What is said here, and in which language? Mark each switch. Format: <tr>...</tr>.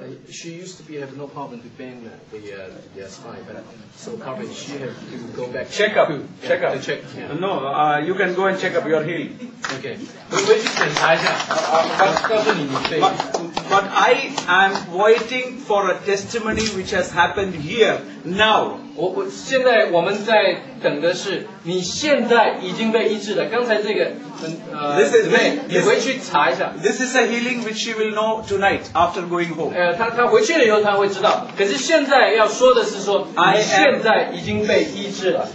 <en>She used to be have no problem to bend the spine, but so probably she have to go back. Check up. Yeah. No, you can go and check up your heel.</en> <zh>Okay. 我去检查一下。告诉你对。</zh> <en>But I am waiting for a testimony which has happened here now.</en> <zh>我现在我们在等的是你现在已经被医治了。刚才这个，</zh> <en>This is</en> <zh>me. 你回去查一下。</zh> <en>This is a healing which she will know tonight after going home.</en> <zh>他回去了以后他会知道。可是现在要说的是说，你现在已经被医治了。</zh>